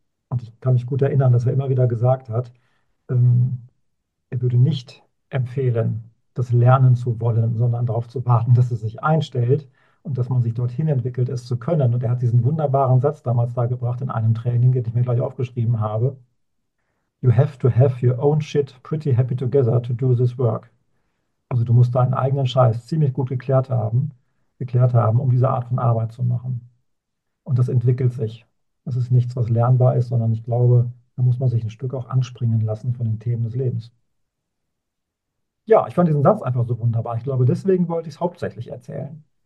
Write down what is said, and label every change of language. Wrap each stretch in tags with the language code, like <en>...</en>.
<de>Und ich kann mich gut erinnern, dass er immer wieder gesagt hat, er würde nicht empfehlen, das lernen zu wollen, sondern darauf zu warten, dass es sich einstellt und dass man sich dorthin entwickelt, es zu können. Und er hat diesen wunderbaren Satz damals dargebracht in einem Training, den ich mir gleich aufgeschrieben habe.</de> <en>You have to have your own shit pretty happy together to do this work.</en> <de>Also du musst deinen eigenen Scheiß ziemlich gut geklärt haben, um diese Art von Arbeit zu machen. Und das entwickelt sich. Das ist nichts, was lernbar ist, sondern ich glaube, da muss man sich ein Stück auch anspringen lassen von den Themen des Lebens. Ja, ich fand diesen Satz einfach so wunderbar. Ich glaube, deswegen wollte ich es hauptsächlich erzählen.</de>